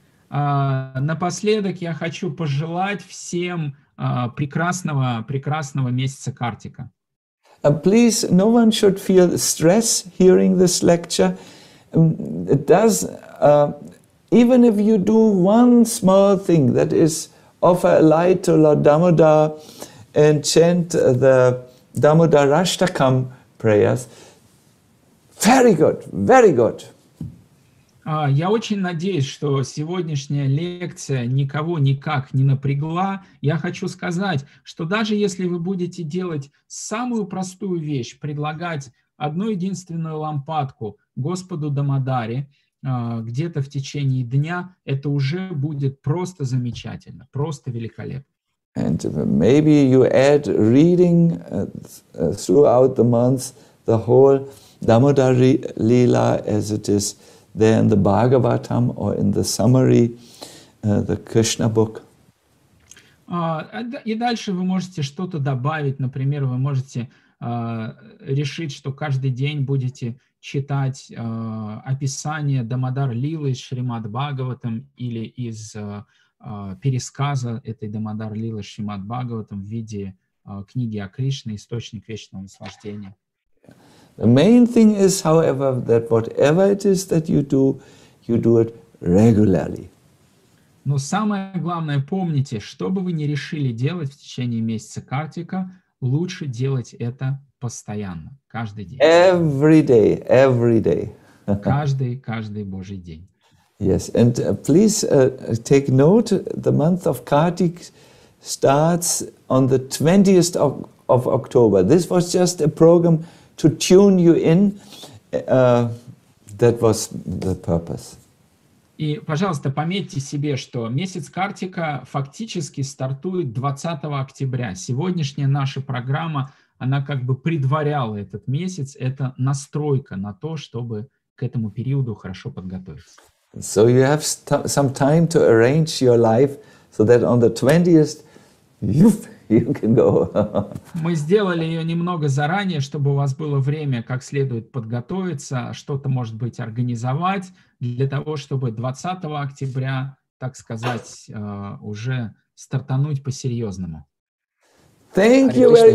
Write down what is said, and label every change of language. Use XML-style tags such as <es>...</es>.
<ru>Напоследок я хочу пожелать всем прекрасного месяца Картика.</ru> <en>Please, no one should feel stress hearing this lecture. It does, even if you do one small thing, that is, offer a light to Lord Damodar and chant the Damodar Ashtakam prayers. Very good, very good.</en> <ru>Я очень надеюсь, что сегодняшняя лекция никого никак не напрягла. Я хочу сказать, что даже если вы будете делать самую простую вещь, предлагать одну единственную лампадку Господу Дамодаре где-то в течение дня, это уже будет просто замечательно, просто великолепно.</ru> <en>And maybe you add reading throughout the month the whole Damodar Lila as it is there in the Bhagavatam or in the summary, the Krishna book.</en> <ru>И дальше вы можете что-то добавить. Например, вы можете решить, что каждый день будете читать описание Дамодар Лилы из Шримад Бхагаватам или из пересказа этой Дамодар Лилы Шримад Бхагаватам в виде книги о Кришне «Источник вечного наслаждения».</ru> <en>The main thing is, however, that whatever it is that you do it regularly.</en> <ru>Но самое главное, помните, что бы вы ни решили делать в течение месяца Картика, лучше делать это постоянно, каждый день.</ru> <en>Every day, every day.</en> <ru>Каждый Божий день.</ru> <en>Yes, and please take note, the month of Kartik starts on the 20th of October. This was just a program to tune you in, that was the purpose.</en> <ru>И, пожалуйста, пометьте себе, что месяц Картика фактически стартует 20 октября. Сегодняшняя наша программа, она как бы предваряла этот месяц. Это настройка на то, чтобы к этому периоду хорошо подготовиться.</ru> <en>So you have some time to arrange your life, so that on the 20th, you can go.</en> <ru>Мы сделали ее немного заранее, чтобы у вас было время как следует подготовиться, что-то, может быть, организовать для того, чтобы 20 октября, так сказать, уже стартануть по-серьезному.</ru> <en>Thank you very much.</en>